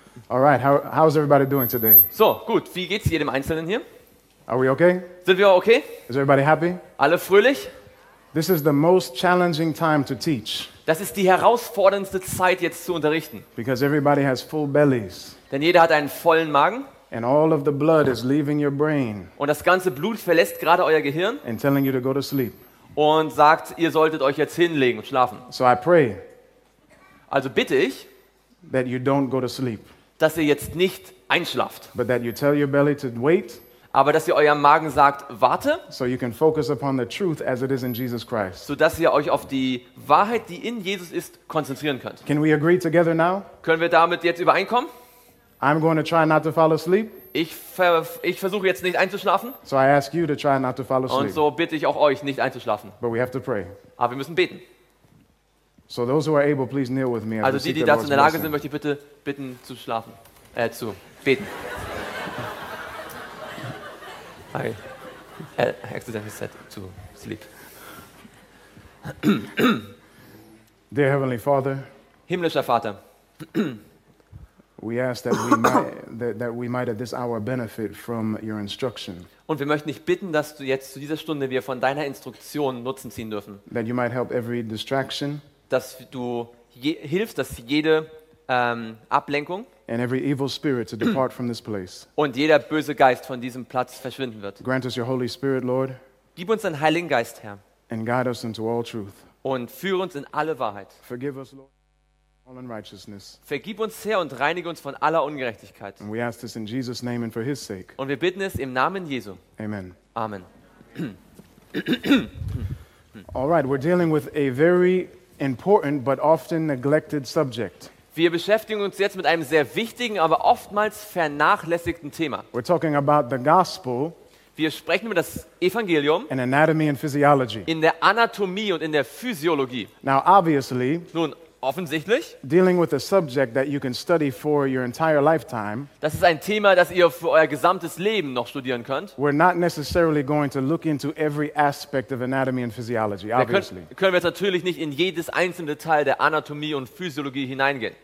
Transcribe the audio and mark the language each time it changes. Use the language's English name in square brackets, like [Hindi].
[English] All right, how's everybody doing today? [German] So, gut, wie geht's jedem Einzelnen hier? [English] Are we okay? [German] Sind wir okay? [English] Is everybody happy? [German] Alle fröhlich? [English] This is the most challenging time to teach. [German] Das ist die herausforderndste Zeit, jetzt zu unterrichten. [English] Because everybody has full bellies. [German] Denn jeder hat einen vollen Magen. [English] And all of the blood is leaving your brain. [German] Und das ganze Blut verlässt gerade euer Gehirn. [English] And telling you to go to sleep. [German] Und sagt, ihr solltet euch jetzt hinlegen und schlafen. [English] So I pray. [German] Also bitte ich, [English] that you don't go to sleep. [German] Dass ihr jetzt nicht einschlaft. [English] But that you tell your belly to wait. [German] Aber dass ihr eurem Magen sagt, warte. [English] So you can focus upon the truth as it is in Jesus Christ. [German] So dass ihr euch auf die Wahrheit, die in Jesus ist, konzentrieren könnt. [English] Can we agree together now? [German] Können wir damit jetzt übereinkommen? [English] I'm going to try not to fall asleep. [German] Ich versuche jetzt nicht einzuschlafen. [English] So I ask you to try not to fall asleep. [German] Und so bitte ich auch euch nicht einzuschlafen. [English] But we have to pray. [German] Aber wir müssen beten. [English] So those who are able, please kneel with me. [German] Also die dazu in der Lage sind, möchte ich bitte bitten zu schlafen, zu beten. [English] I accidentally said to sleep. Dear Heavenly Father. [German] Himmlischer Vater. [English] We ask that we might at this hour benefit from your instruction. [German] Und wir möchten dich bitten, dass du jetzt zu dieser Stunde wir von deiner Instruktion Nutzen ziehen dürfen. [English] That you might help every distraction. [German] Dass du hilfst, dass jede Ablenkung [English] and every evil spirit to depart from this place. [German] Und jeder böse Geist von diesem Platz verschwinden wird. [English] Grant us your Holy Spirit, Lord. [German] Gib uns deinen Heiligen Geist, Herr. [English] And guide us into all truth. [German] Und führe uns in alle Wahrheit. [English] Forgive us, Lord. All unrighteousness. [German] Vergib uns, Herr, und reinige uns von aller Ungerechtigkeit. [English] And we ask this in Jesus' name and for his sake. [German] Und wir bitten es im Namen Jesu. [English] Amen. [German] Amen. [English] All right, we're dealing with a very important but often neglected subject. [German] Wir beschäftigen uns jetzt mit einem sehr wichtigen, aber oftmals vernachlässigten Thema. [English] We're talking about the gospel. [German] Wir sprechen über das Evangelium [English] in anatomy and physiology. [German] In der Anatomie und in der Physiologie. [English] Now obviously, [German] nun offensichtlich, [English] dealing with a subject that you can study for your entire lifetime. [German] Das ist ein Thema, das ihr für euer gesamtes Leben noch studieren könnt. [English] We're not necessarily going to look into every aspect of anatomy and physiology, obviously. [German] Können wir jetzt natürlich nicht in jedes einzelne Teil der Anatomie und Physiologie hineingehen.